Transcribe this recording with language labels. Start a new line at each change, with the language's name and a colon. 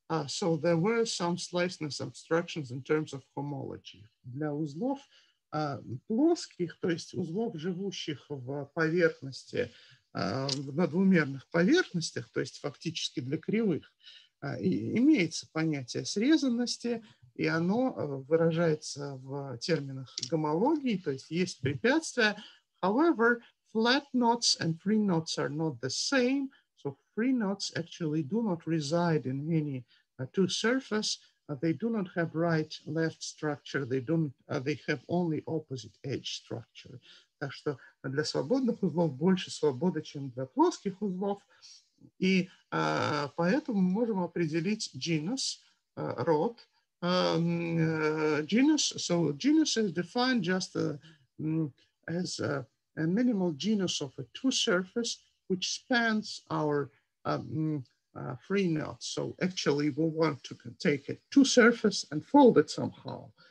English: So there were some sliceness obstructions in terms of homology.
Russian: Для узлов плоских, то есть узлов, живущих в поверхности, на двумерных поверхностях, то есть фактически для кривых, имеется понятие срезанности, и оно выражается в терминах гомологии, то есть есть препятствия.
English: However, flat knots and free knots are not the same. So free knots actually do not reside in any two surface. They do not have right-left structure. They don't. They have only opposite edge structure.
Russian: Так что для свободных узлов больше свободы, чем для плоских узлов. И поэтому мы можем определить genus, род.
English: Genus, so genus is defined just as a minimal genus of a two surface, which spans our free knot. So actually we want to take a two surface and fold it somehow.